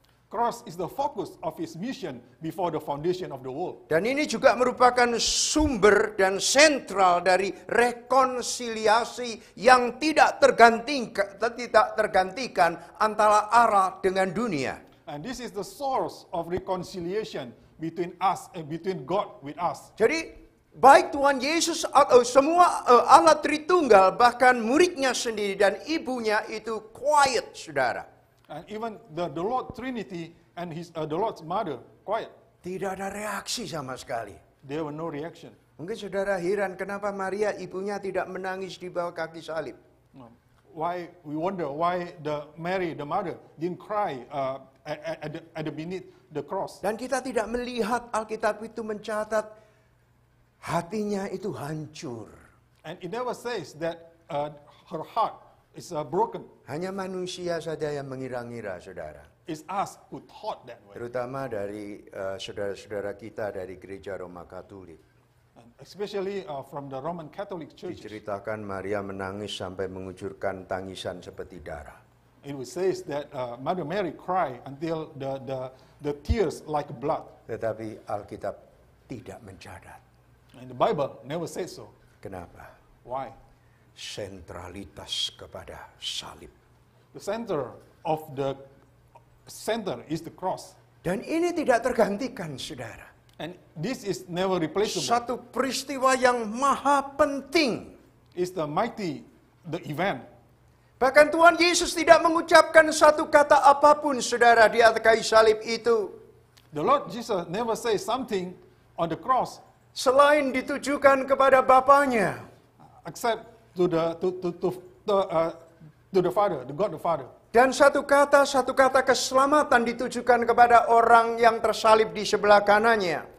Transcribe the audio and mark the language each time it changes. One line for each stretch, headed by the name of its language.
English: Cross is the focus of his mission before the foundation of the world.
Indonesian: Dan ini juga merupakan sumber dan sentral dari rekonsiliasi yang tidak tergantikan antara Allah dengan dunia.
English: And this is the source of reconciliation between us and between God with us.
Indonesian: Jadi baik Tuhan Yesus atau semua Allah Tritunggal bahkan muridnya sendiri dan ibunya itu quiet, saudara.
English: And even the Lord Trinity and the Lord's mother quiet.
Indonesian: Tidak ada reaksi sama sekali.
English: There were no reaction.
Indonesian: Mungkin saudara heran kenapa Maria ibunya tidak menangis di bawah kaki salib.
English: Why we wonder why the Mary the mother didn't cry at the beneath the cross.
Indonesian: Dan kita tidak melihat Alkitab itu mencatat hatinya itu hancur.
English: And it never says that her heart is broken.
Indonesian: Hanya manusia saja yang mengira-ngira, saudara.
English: It's us who thought that way.
Indonesian: Terutama dari saudara-saudara kita dari gereja Roma Katolik.
English: And especially from the Roman Catholic Church.
Indonesian: Diceritakan Maria menangis sampai mengucurkan tangisan seperti darah.
English: It was says that Mother Mary cried until the tears like blood.
Indonesian: Tetapi Alkitab tidak mencatat.
English: And the Bible never says so.
Indonesian: Kenapa?
English: Why?
Indonesian: Sentralitas kepada salib.
English: The center of the center is the cross.
Indonesian: Dan ini tidak tergantikan, saudara.
English: And this is never replaceable.
Indonesian: Satu peristiwa yang maha penting.
English: Is the mighty the event.
Indonesian: Bahkan Tuhan Yesus tidak mengucapkan satu kata apapun, saudara, di atas kayu salib itu.
English: The Lord Jesus never say something on the cross.
Indonesian: Selain ditujukan kepada Bapanya.
English: Except to the Father, the God the Father.
Indonesian: Dan satu kata keselamatan ditujukan kepada orang yang tersalib di sebelah kanannya.